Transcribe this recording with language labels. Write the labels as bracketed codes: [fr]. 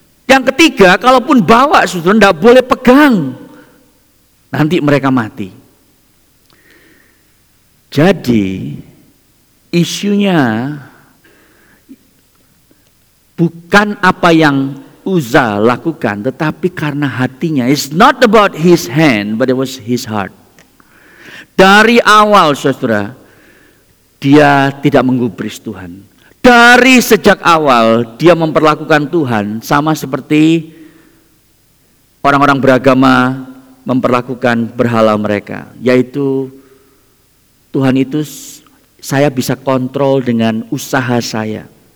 [id] Yang ketiga, kalaupun bawa, saudara, tidak boleh pegang. Nanti mereka mati. Jadi, isunya bukan apa yang Uza lakukan, tetapi karena hatinya. [en] It's not about his hand, but it was his heart. [id] Dari awal, saudara, dia tidak menggubris Tuhan. Dari sejak awal dia memperlakukan Tuhan sama seperti orang-orang beragama memperlakukan berhala mereka, yaitu Tuhan itu saya bisa kontrol dengan usaha saya.